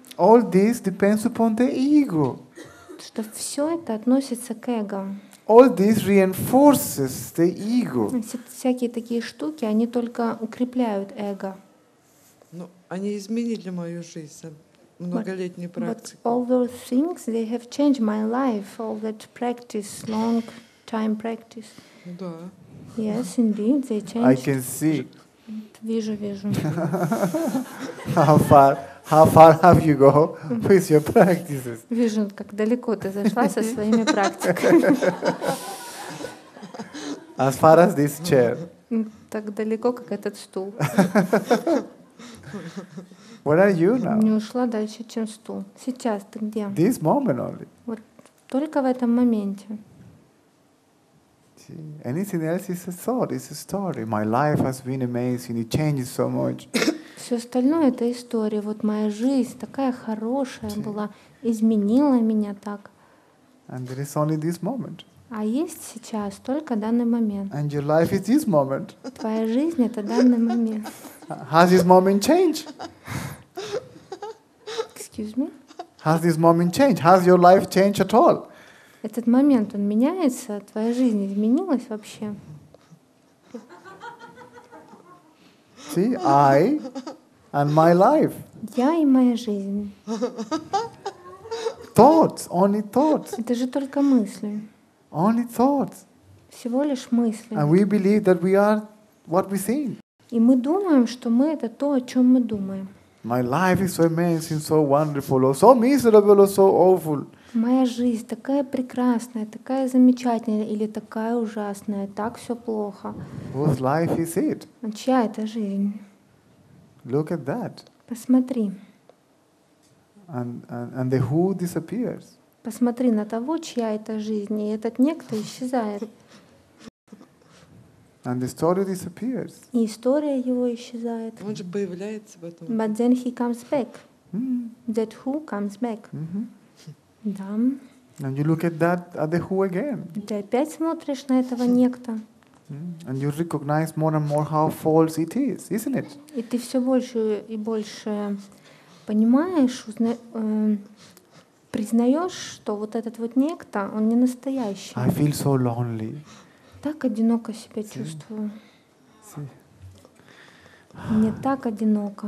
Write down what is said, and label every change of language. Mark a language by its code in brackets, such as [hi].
[en] All this depends upon the ego. [ru] Что все это относится к эго. [en] All this reinforces the ego. [ru] Всякие такие штуки, они только укрепляют эго. Ну, они изменили мою жизнь, многолетнюю практику. [en] But all those things, they have changed my life. All that practice, long time practice. [ru] Да. [en] Yes, indeed, they changed. I can see. [ru] Вижу, вижу. [en] How far have you go with your practices? [ru] Вижу, как далеко ты зашла со своими практиками. [en] As far as this chair. [ru] Так далеко, как этот стул. [en] Where are you now? [ru] Не ушла дальше, чем стул. Сейчас ты где? [en] This moment only. [ru] Вот только в этом моменте. [en] See, anything else is a thought, it's a story. My life has been amazing. It changes so much. [ru] Все остальное — это история. Вот моя жизнь такая хорошая была, изменила меня так. [en] And there is only this moment. [ru] А есть сейчас только данный момент. [en] And your life is this moment. [ru] Твоя жизнь — это данный момент. [en] Has this moment changed? Excuse me? Has this moment changed? Has your life changed at all? [ru] Этот момент, он меняется? Твоя жизнь изменилась вообще? [en] See, I and my life. [ru] Я и моя жизнь. [en] Thoughts, only thoughts. [ru] Это же только мысли. [en] Only thoughts. [ru] Всего лишь мысли. [en] And we believe that we are what we think. [ru] И мы думаем, что мы — это то, о чем мы думаем. [en] My life is so amazing, so wonderful, or so miserable, or so awful. [ru] Моя жизнь такая прекрасная, такая замечательная или такая ужасная, так все плохо. [en] Whose life is it? [ru] А чья это жизнь? [en] Look at that. [ru] Посмотри. [en] And the who disappears. [ru] Посмотри на того, чья это жизнь, и этот некто исчезает. [en] And the story disappears. [ru] И история его исчезает. Он же появляется потом. [en] But then he comes back. That who comes back. Mm-hmm. [ru] Да. [en] And you look at that at the who again. [ru] Ты опять смотришь на этого некто. [en] And you recognize more and more how false it is, isn't it? [ru] И ты все больше и больше понимаешь, признаешь, что вот этот вот некто, он не настоящий. [en] I feel so lonely. [ru] Так одиноко себя чувствую. [en] See? [ru] Мне так одиноко.